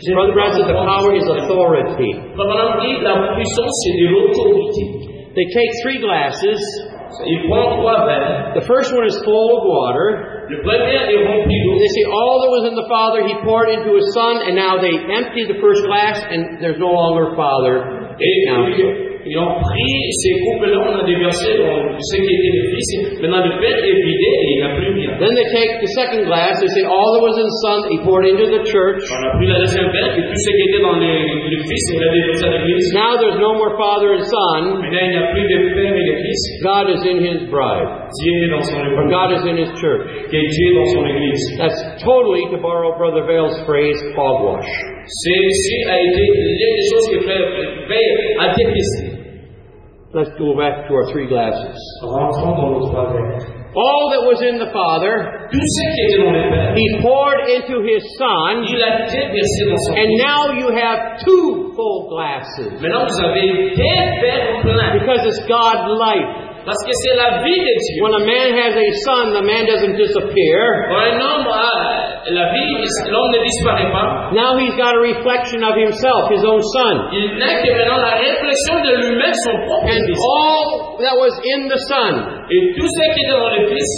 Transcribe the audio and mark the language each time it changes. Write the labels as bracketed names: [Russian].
[English] Brother Brown said, the power is authority. They take three glasses. The first one is full of water. They say all that was in the Father He poured into His Son, and now they empty the first glass and there's no longer Father. [French] Et on prie ces couples-là, on a déversé ce qui était le fils. Maintenant, le père est vidé et il n'a plus rien. [English] Then they take the second glass, they say, all that was in the son, he poured into the church. [French] On a pris la deuxième verre et tout ce qui était dans le fils, il a déversé à l'église. [English] Now there's no more father and son. [French] Maintenant, il n'y a plus de père et de fils. [English] God is in his bride. [French] Dieu est dans son épouse. [English] Or God is in his church. [French] Et Dieu est dans son église. [English] That's totally, to borrow Brother Vail's phrase, hogwash. [French] Ceci a été l'une des choses que Frère Vail a détesté. [English] Let's go back to our three glasses. [French] Rentrons dans notre verre. [English] All that was in the Father, [French] tout ce qui était dans le Père, [English] he poured into his Son, [French] il a déversé dans son Fils. [English] And now you have two full glasses. [French] Maintenant vous avez deux verres pleins. [English] Because it's God's life. [French] Parce que c'est la vie de Dieu. [English] When a man has a son, the man doesn't disappear. [French] Quand un homme a la vie, l'homme ne disparaît pas. [English] Now he's got a reflection of himself, his own son. [French] Il n'a que maintenant la réflexion de lui-même, son propre fils. [English] And all that was in the son, [French] et tout ce qui était dans le fils,